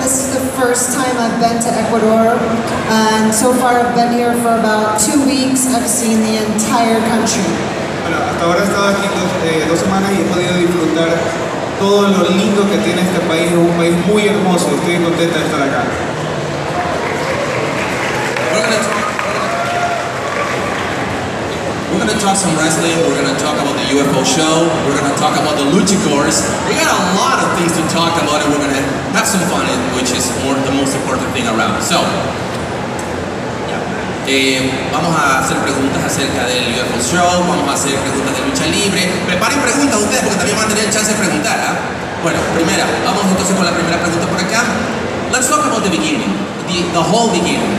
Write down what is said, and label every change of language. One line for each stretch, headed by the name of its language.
English: This is the first time I've been to Ecuador, and so far I've been here for about 2 weeks. I've seen the entire country.
Spanish: Bueno, hasta ahora he estado aquí dos semanas y he podido disfrutar todo lo lindo que tiene este país. Es un país muy hermoso. Estoy contenta de estar acá.
English: Talk some wrestling, we're going to talk about the UFO show, we're going to talk about the luchadores. We got a lot of things to talk about and we're going to have some fun, which is more the most important thing around.
Spanish: So, vamos a hacer preguntas acerca del UFO show, vamos a hacer preguntas de lucha libre. Preparen preguntas ustedes porque también van a tener el chance de preguntar, ¿eh? Bueno, primera, vamos entonces con la primera pregunta por acá.
English: Let's talk about the beginning, the whole beginning.